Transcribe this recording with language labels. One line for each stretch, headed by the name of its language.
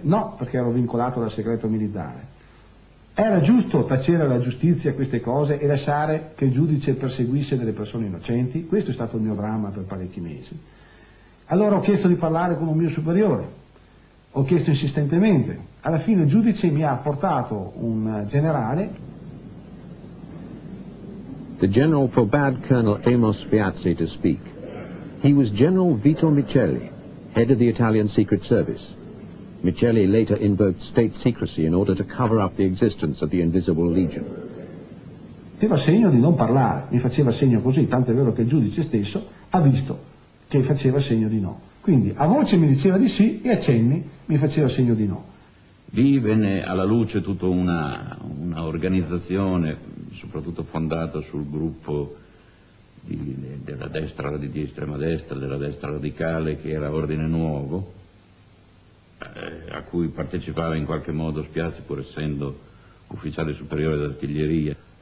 Italian: No, perché ero vincolato dal segreto militare. Era giusto tacere alla giustizia queste cose e lasciare che il giudice perseguisse delle persone innocenti? Questo è stato il mio dramma per parecchi mesi. Allora ho chiesto di parlare con un mio superiore, ho chiesto insistentemente. Alla fine il giudice mi ha portato un generale.
English: The general forbade Colonel Amos Fiazzi to speak. He was General Vito Micheli, head of the Italian Secret Service. Micheli later invoked state secrecy in order to cover up the existence of the Invisible Legion.
Italian: Faceva segno di non parlare, mi faceva segno così, tant'è vero che il giudice stesso ha visto che faceva segno di no. Quindi a voce mi diceva di sì e a cenni mi faceva segno di no. Lì venne alla luce tutta una organizzazione, soprattutto fondata sul gruppo della destra, di estrema destra, della destra radicale, che era Ordine Nuovo, a cui partecipava in qualche modo Spiazzi, pur essendo ufficiale superiore d'artiglieria.